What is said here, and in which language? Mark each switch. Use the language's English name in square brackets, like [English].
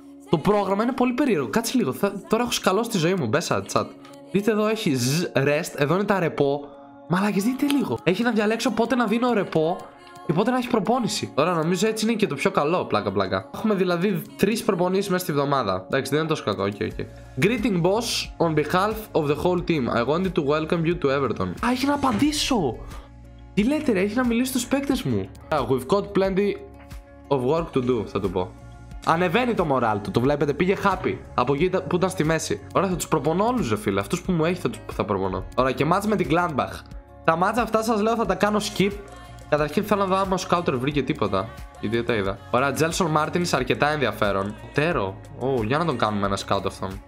[Greek] Το πρόγραμμα είναι πολύ περίεργο, κάτσε λίγο. Τώρα έχω σκαλώσει τη ζωή μου, μπέσα chat. Δείτε εδώ, έχει rest, εδώ είναι τα ρεπό. Μαλάκες, δείτε λίγο. Έχει να διαλέξω πότε να δίνω ρεπό και πότε να έχει προπόνηση. Τώρα νομίζω έτσι είναι και το πιο καλό, πλάκα. Έχουμε δηλαδή τρεις προπονήσεις μέσα στη βδομάδα. Εντάξει, δεν είναι τόσο κακό, okay. [English] Greeting boss on behalf of the whole team. I wanted to welcome you to Everton. [Greek] Α, έχει να απαντήσω. Τι λέτε ρε, έχει να μιλήσει στους παίκτες μου. [English] We've got plenty of work to do, [Greek] θα του πω. Ανεβαίνει το μοράλ του, το βλέπετε, πήγε happy. Από εκεί που ήταν στη μέση. Ωραία, θα τους προπονώ όλους ρε φίλε, αυτούς που μου έχει θα προπονώ. Ωραία, και μάτς με την Gladbach. Τα μάτς αυτά σας λέω θα τα κάνω skip. Καταρχήν θέλω να δω άμα ο σκάουτερ βρήκε τίποτα. Γιατί δεν τα είδα. Ωραία, Τζέλσον Μάρτινς αρκετά ενδιαφέρον. Τέρο, για να τον κάνουμε ένα σκάουτ αυτόν.